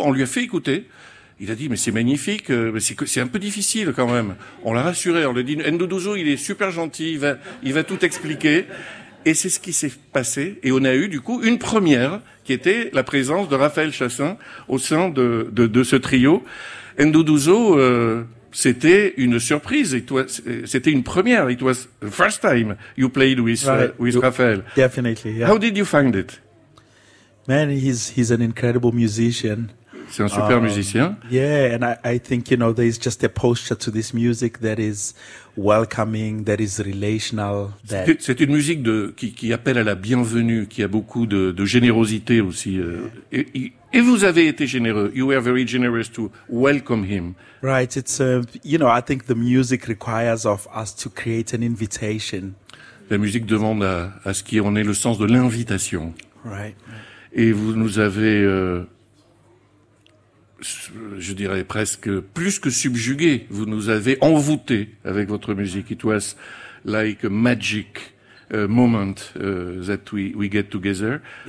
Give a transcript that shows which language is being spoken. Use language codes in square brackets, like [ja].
[fr] On lui a fait écouter, il a dit mais c'est magnifique, mais c'est un peu difficile quand même. On l'a rassuré, on lui a dit Ndoduzo il est super gentil, il va tout expliquer. Et c'est ce qui s'est passé. Et on a eu, du coup, une première, qui était la présence de Raphaël Chassin au sein de ce trio. Ndoduzo, c'était une surprise. C'était une première. [en] It was the first time you played with Raphaël. Definitely, yeah. How did you find it? Man, he's an incredible musician. [fr] C'est un super musicien. [en] Yeah, and I think, you know, there is just a posture to this music that is welcoming, that is relational. [fr] C'est une musique qui appelle à la bienvenue, qui a beaucoup de générosité aussi. Et vous avez été généreux. [en] You were very generous to welcome him. Right. It's you know, I think the music requires of us to create an invitation. [fr] La musique demande à ce qu'on ait le sens de l'invitation. [en] Right. [fr] Et vous nous avez, je dirais presque plus que subjugué, vous nous avez envoûté avec votre musique. [en] It was like a magic moment that we get together.